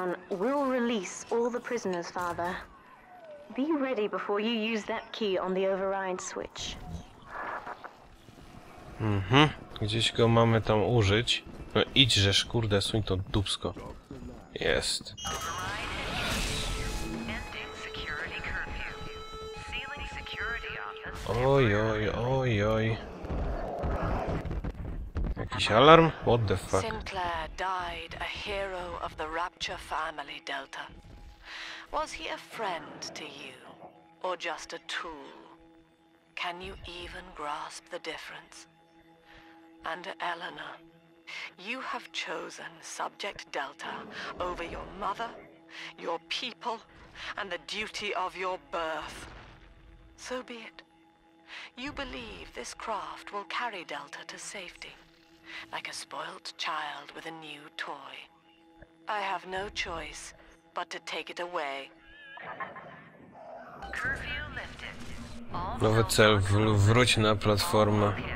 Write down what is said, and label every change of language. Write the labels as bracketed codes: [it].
[en] We'll release all the prisoners, father. Be ready before you use that key on the override switch. [pl] Mhm. Gdzieś go mamy tam użyć. No idźżeż, kurde, suń to dupsko. Jest. Oj. Jakiś alarm? [en] What the fuck? Sinclair died a hero of the Rapture family, Delta. Was he a friend to you? Or just a tool? Can you even grasp the difference? And Eleanor, you have chosen Subject Delta over your mother, your people, and the duty of your birth. So be it. You believe this craft will carry Delta to safety. Like a spoilt child with a new toy. I have no choice but to take it away. Curfew lifted. [pl] Nowy cel, wróć na platformę.